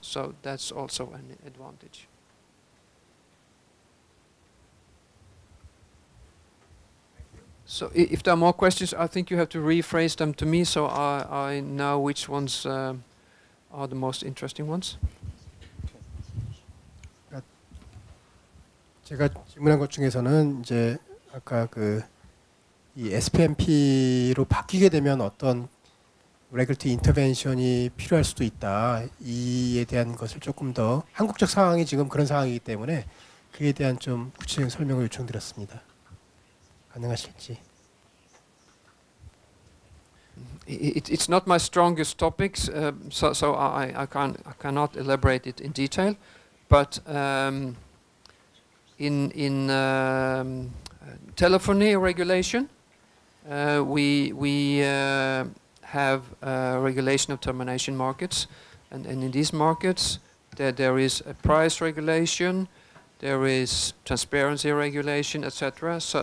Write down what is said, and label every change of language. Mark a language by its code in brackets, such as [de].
[en] So that's also an advantage. 그래서 so if there are more questions, I think you have to rephrase them to me so I know which ones are the most interesting ones. [ko] 제가 질문한 것 중에서는 이제 아까 그 이 SPMP로 바뀌게 되면 어떤 레귤리티 인터벤션이 필요할 수도 있다. 이에 대한 것을 조금 더 한국적 상황이 지금 그런 상황이기 때문에 그에 대한 좀 구체적인 설명을 요청드렸습니다. 가능하실지. [en] It's not my strongest topics, so I cannot elaborate it in detail, but in telephony regulation, we have a regulation of termination markets, and in these markets, there is a price regulation, there is transparency regulation, etc.